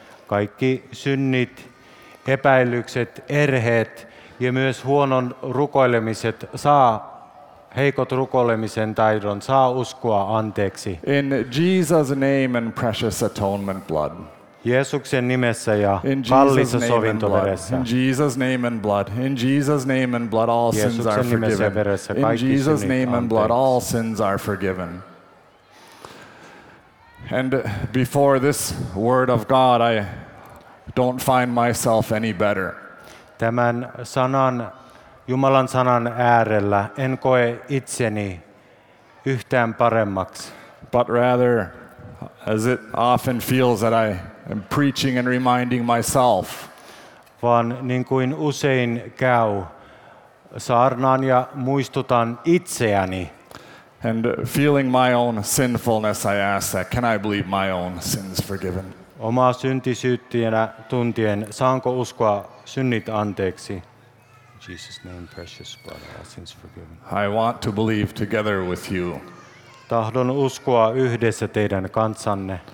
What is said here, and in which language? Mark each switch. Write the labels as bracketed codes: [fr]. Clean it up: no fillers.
[fi] Kaikki synnit, epäilykset, erheet ja myös huonon rukoilemiset saa heikot rukoilemisen taidon, saa uskoa anteeksi. [en] In Jesus' name and precious atonement blood. [fi] Jeesuksen nimessä ja kallisessa sovintoveressä. [en] In Jesus' name and blood. In Jesus' name and blood all sins are forgiven. In Jesus' name and blood all sins are forgiven. And before this word of God, I don't find myself any better. [fi] Tämän sanan, Jumalan sanan äärellä, en koe itseni yhtään paremmaksi. [en] But rather, as it often feels that I am preaching and reminding myself. [fi] Vaan niin kuin usein käy, saarnaan ja muistutan itseäni. [en] And feeling my own sinfulness, I ask that, can I believe my own sins forgiven? [fi] Omaa syntisyyttiä tuntien, saanko uskoa synnit anteeksi? [en] In Jesus' name, precious brother, all sins forgiven. I want to believe together with you. [fi] Tahdon uskoa yhdessä teidän kanssanne.